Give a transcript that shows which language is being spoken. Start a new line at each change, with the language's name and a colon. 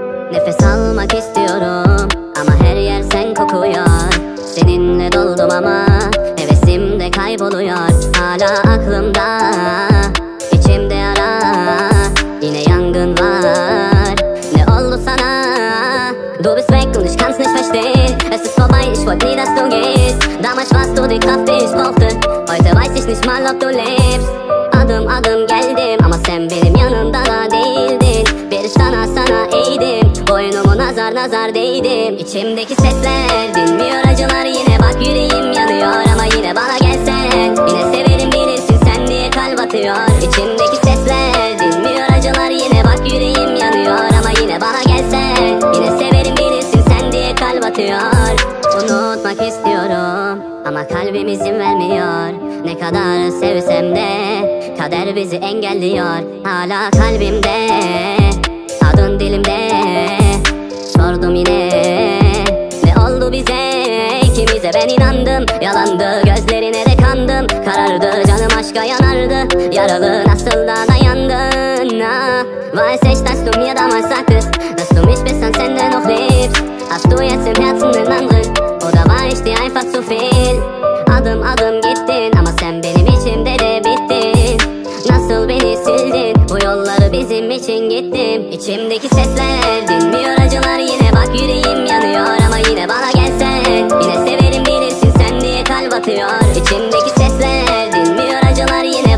Turkish: hedefe salmak istiyorum. Ama her yer sen kokuyor. Seninle doldum ama hevesim de kayboluyor. Hala aklımda, içimde yara. Yine yangın var. Ne oldu sana?
German: Du bist weg und ich kann's nicht verstehen. Es ist vorbei, ich wollte nie, dass du gehst. Damals warst du die Kraft, die ich brauchte. Heute weiß ich nicht mal, ob du lebst.
Turkish: Adım adım geldim ama sen benim yanımda da değildin. Bir sana sana eğdim, boynumu nazar nazar değdim. İçimdeki sesler dinmiyor acılar yine. Bak yüreğim yanıyor ama yine bana gelsen. Yine severim bilirsin sen diye kalp atıyor. İçimdeki sesler dinmiyor acılar yine. Bak yüreğim yanıyor ama yine bana gelsen. Yine severim bilirsin sen diye kalp atıyor. Unutmak istiyorum ama kalbim izin vermiyor. Ne kadar sevsem de kader bizi engelliyor. Hala kalbimde, adın dilimde. Sordum yine, ne oldu bize, ikimize? Ben inandım, yalandı, gözlerine de kandım. Karardı, canım aşka yanardı. Yaralı, nasıl da dayandın?
German: Weiß ich, dass du mir damals sagtest, dass du mich bis an Ende noch liebst. Hast du jetzt im Herzen einen anderen? Oder war ich dir einfach zu viel?
Turkish: Adım adım gittin, ama sen benim içimde de bittin. Nasıl beni sildin, bu yolları bizim için gittim. İçimdeki sesler dinmiyor acılar yine. Bak yüreğim yanıyor ama yine bana gelsen. Yine severim bilirsin sen diye kalp atıyor. İçimdeki sesler dinmiyor acılar yine.